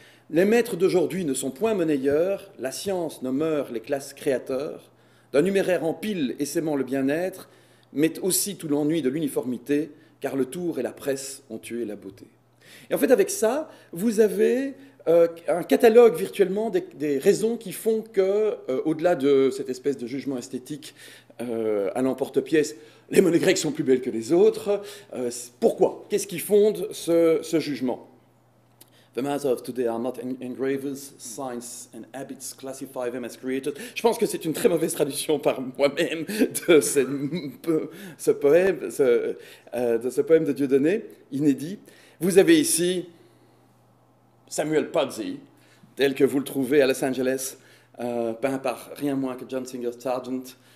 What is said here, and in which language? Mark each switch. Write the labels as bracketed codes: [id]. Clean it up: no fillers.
[fr] Les maîtres d'aujourd'hui ne sont point monnayeurs, la science nos mœurs les classe créateurs, d'un numéraire en pile essaimant le bien-être, mais aussi tout l'ennui de l'uniformité, car le tour et la presse ont tué la beauté. Et en fait, avec ça, vous avez un catalogue virtuellement des raisons qui font que, au-delà de cette espèce de jugement esthétique à l'emporte-pièce, les monnaies grecques sont plus belles que les autres. Pourquoi? Qu'est-ce qui fonde ce jugement? [en] The mass of today are not engravers, signs and habits classify them as creators. [fr] Je pense que c'est une très mauvaise traduction par moi-même de ce poème de Dieudonné, inédit. Vous avez ici Samuel Pozzi, tel que vous le trouvez à Los Angeles, peint par rien moins que John Singer Sargent,